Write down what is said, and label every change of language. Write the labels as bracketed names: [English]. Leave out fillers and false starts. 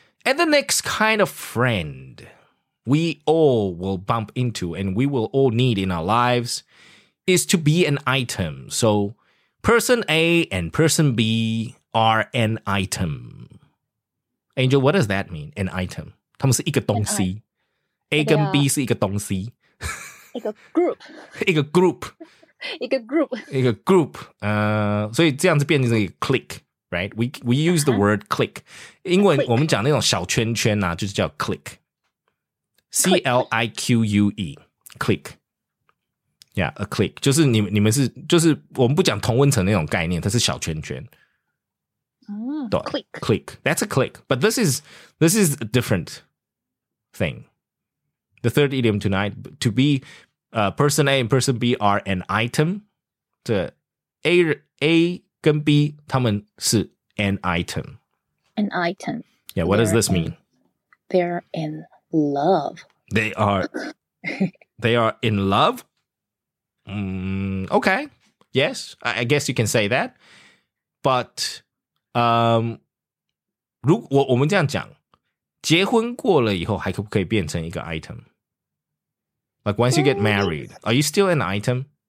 [English] And the next kind of friend we all will bump into and we will all need in our lives is to be an item. So person A and person B are an item. Angel, what does that mean? An item. [Chinese] 他们是一个东西, A 跟 B 是一个东西, 一个group, 一个group, 一个group, 一个group. 所以这样子变成一个click, [English] right? We use the word click. [Chinese] 英文我们讲那种小圈圈啊, 就是叫click, C-L-I-Q-U-E, click. [English] Yeah, a click. [Chinese] 就是你们是, 就是我们不讲同温层那种概念, 它是小圈圈。 [English] click. Click. That's a click. But this is a different thing. The third idiom tonight, to be person A and person B are an item. So A [Chinese] 跟 B, 他们是 [English] an item. An item. Yeah, what does this mean? They're in love. They are in love? Okay. Yes, I guess you can say that. [Chinese] But 如果我们这样讲, 结婚过了以后还可不可以变成一个 item? [English] Like once you get married, are you still an item?